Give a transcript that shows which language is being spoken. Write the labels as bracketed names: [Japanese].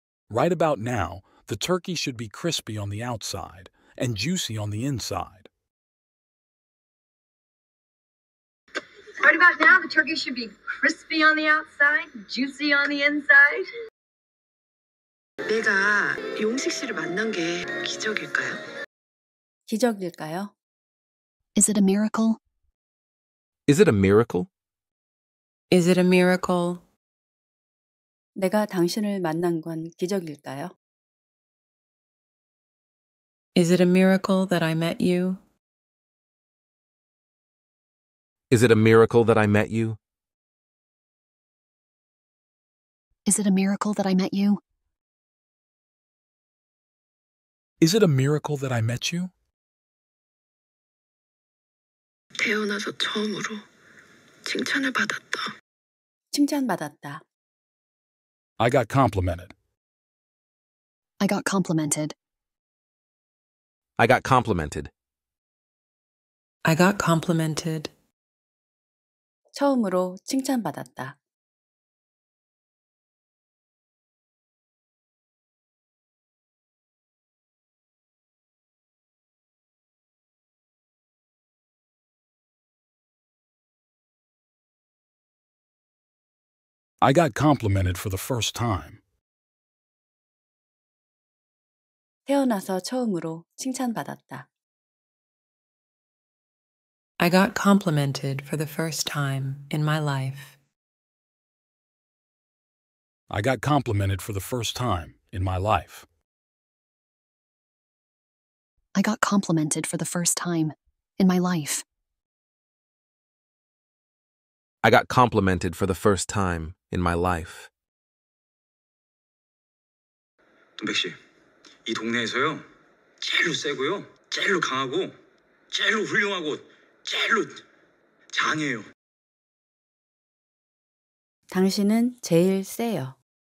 [English] Right about now, the turkey should be crispy on the outside and juicy on the inside. Right about now, the turkey should be crispy on the outside, juicy on the inside. [Korean] 내가 용식 씨를 만난 게 기적일까요? 기적일까요? [English] Is it a miracle? Is it a miracle? Is it a miracle? [Korean] 내가 당신을 만난 건 기적일까요? [English] Is it a miracle that I met you? Is it a miracle that I met you? Is it a miracle that I met you? Is it a miracle that I met you? [Korean] 태어나서 처음으로 칭찬을 받았다. 칭찬받았다. [English] I got complimented. I got complimented. I got complimented. I got complimented. [Korean] 처음으로 칭찬받았다. [English] I got complimented for the first time. [Korean] 태어나서 처음으로 칭찬받았다. [English] I got complimented for the first time in my life. I got complimented for the first time in my life. I got complimented for the first time in my life. I got complimented for the first time in my life. [Korean] 동백 씨, 이 동네에서요, 제일로 세고요, 제일로 강하고, 제일로 훌륭하고, 제일로 장해요. 당신은 제일 세요.